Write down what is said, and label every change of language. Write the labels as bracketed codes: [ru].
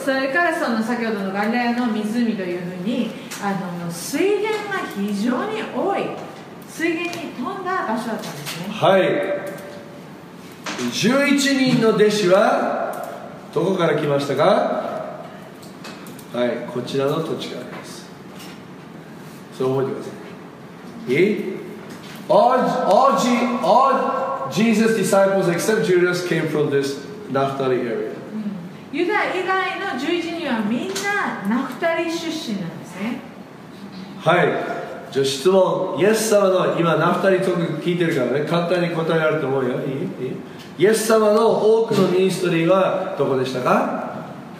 [ja] それからその先ほどのガリラヤの湖というふうに水源が非常に多い、水源に富んだ場所だったんですね。はい。11人の弟子はどこから来ましたか。はい、こちらの土地からです。そう覚えてください。 [en] All Jesus' disciples except Judas came from this Naphtali area. [ja] ユダ以外の11人はみんなナフタリ出身なんですね。はい。じゃあ質問、イエス様の今ナフタリ特に聞いてるからね、簡単に答えあると思うよ。いい？イエス様の多くのミニストリーはどこでしたか？